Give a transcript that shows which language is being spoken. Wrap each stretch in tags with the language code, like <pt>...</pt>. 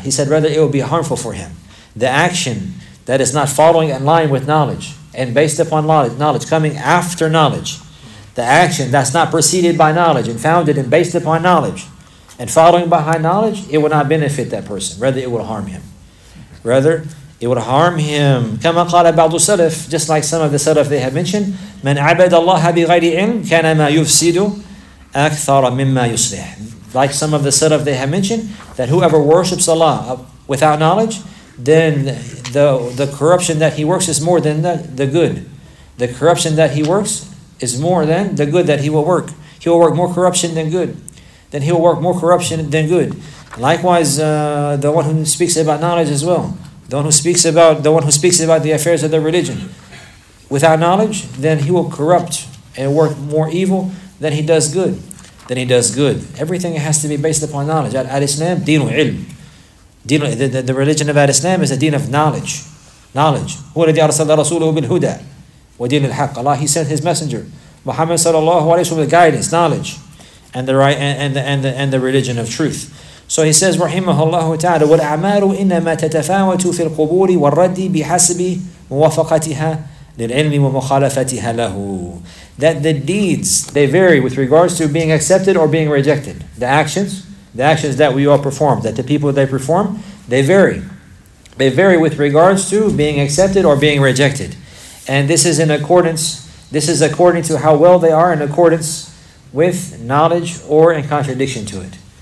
<en>He said rather it will be harmful for him. The action that is not following in line with knowledge and based upon knowledge coming after knowledge, the action that's not preceded by knowledge and founded and based upon knowledge and following behind knowledge, it will not benefit that person. Rather, it will harm him. Rather, It would harm him.</en> <ar>كما قال بعض السلف,</ar> <en>just like some of the Salaf they have mentioned,</en> <ar>من عبد الله بغير علم كان ما يفسد أكثر مما يصلح.</ar> <en>Like some of the Salaf they have mentioned, that whoever worships Allah without knowledge, then the corruption that he works is more than the good. The corruption that he works is more than the good that he will work. He will work more corruption than good. Then he will work more corruption than good. Likewise, the one who speaks about knowledge as well. The one who speaks about the affairs of the religion without knowledge, then he will corrupt and work more evil than he does good. Then he does good. Everything has to be based upon knowledge. Al-Islam, deen ilm. The religion of Al-Islam is a deen of knowledge. Knowledge.</en> <ar>Who الذي أرسل رسوله بالهدى ودين الحق.</ar> <en>Allah, he sent his messenger. Muhammad sallallahu alayhi wa sallam with guidance, knowledge, and the right and the religion of truth. So he says,</en> <ar>رحمه ta'ala, وَالْأَعْمَالُ إِنَّمَا تَتَفَاوَتُ فِي الْقُبُورِ وَالرَّدِّ بِحَسْبِ مُوَفَقَتِهَا لِلْعِلْمِ وَمُخَالَفَتِهَا لَهُ.</ar> <en>That the deeds, they vary with regards to being accepted or being rejected. The actions that we all perform, that the people they perform, they vary. They vary with regards to being accepted or being rejected. And this is in accordance, this is according to how well they are in accordance with knowledge or in contradiction to it.</en>